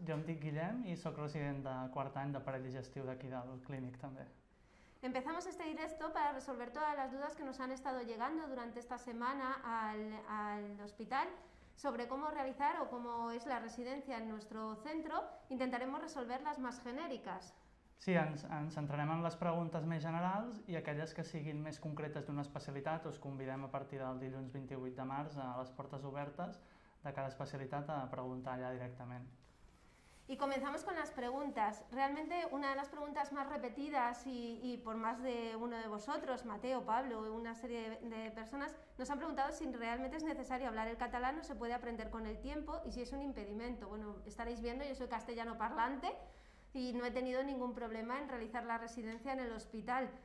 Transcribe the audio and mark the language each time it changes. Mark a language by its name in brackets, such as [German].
[Spanish] Yo soy Guillem y soy residente de cuarto año de [Catalan] aparell digestiu [Spanish] de aquí del Clínic también. Empezamos este directo para resolver todas las dudas que nos han estado llegando durante esta semana al hospital sobre cómo realizar o cómo es la residencia en nuestro centro. Intentaremos resolver las más genéricas. [Catalan] Sí, ens centrarem en les preguntes més generals i aquelles que siguin més concretes d'una especialitat us convidem a partir del dilluns 28 de març a les portes obertes de cada especialitat a preguntar allà directament. [Spanish] Y comenzamos con las preguntas. Realmente una de las preguntas más repetidas y por más de uno de vosotros, Mateo, Pablo, una serie de personas, nos han preguntado si realmente es necesario hablar el catalán o se puede aprender con el tiempo y si es un impedimento. Bueno, estaréis viendo, yo soy castellano parlante, y no he tenido ningún problema en realizar la residencia en el hospital.